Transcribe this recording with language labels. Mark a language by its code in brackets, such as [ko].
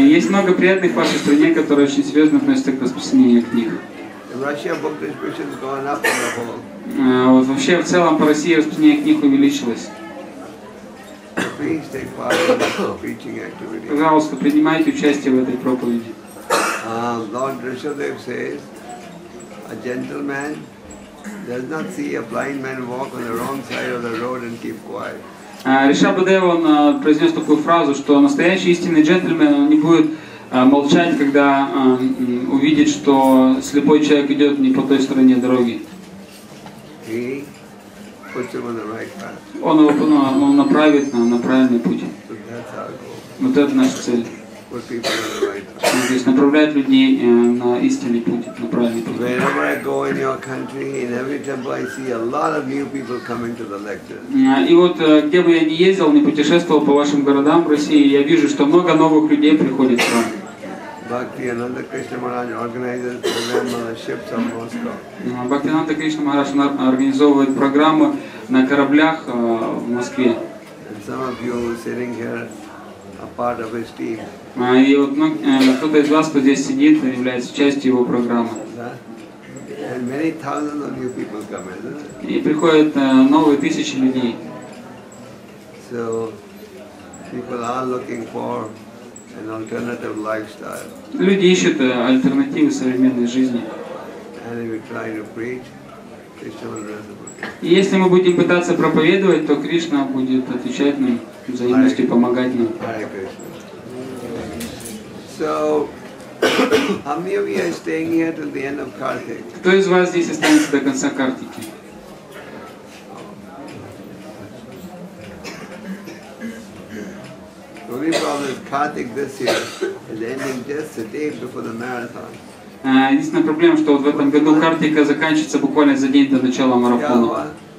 [ru] Есть много приятных в вашей стране, которые очень серьезно относятся к распространению книг. [en] Russia book distribution has gone up on the whole. [ru] Вот вообще в целом по России распространение книг увеличилось. [en] Please take part in the preaching activity. [ru] Пожалуйста, принимайте участие в этой проповеди. [en] Lord Rishabhdev says, a gentleman does not see a blind man walk on the wrong side of the road and keep quiet. [ru] Ришабхадев он произнес такую фразу, что настоящий истинный джентльмен он не будет молчать, когда увидит, что слепой человек идет не по той стороне дороги. Он его направит на правильный путь. Вот это наша цель. Здесь направляет людей на истинный путь, на правильный путь. [en] Wherever I go in your country, in every temple, I see a lot of new people coming to the lectures. [ru] И вот где бы я ни ездил, ни путешествовал по вашим городам в России, я вижу, что много новых людей приходит к вам. [en] Bhaktivinoda Krishna Maharaj organizes programs on the ships of Moscow. [ru] Bhaktivinoda Krishna Maharaj организовывает программы на кораблях в Москве. [en] Some of you sitting here. A part of his team. [ru] И вот кто-то из вас, кто здесь сидит, является частью его программы. [en] And many thousands of new people come, isn't it? [ru] И приходят новые тысячи людей. [en] So people are looking for an alternative lifestyle. [ru] Люди ищут альтернативы современной жизни. [en] And if we're trying to preach, Krishna will reciprocate. [ru] И если мы будем пытаться проповедовать, то Кришна будет отвечать нам. Взаимности помогать нам. [en] So, how many of you are staying here till the end of Kartik? [ru] Кто из вас здесь останется до конца Картики? [en] The only problem is Kartik this year is ending just the day before the marathon. [ru] Единственная проблема, что вот в этом году Картика заканчивается буквально за день до начала марафона.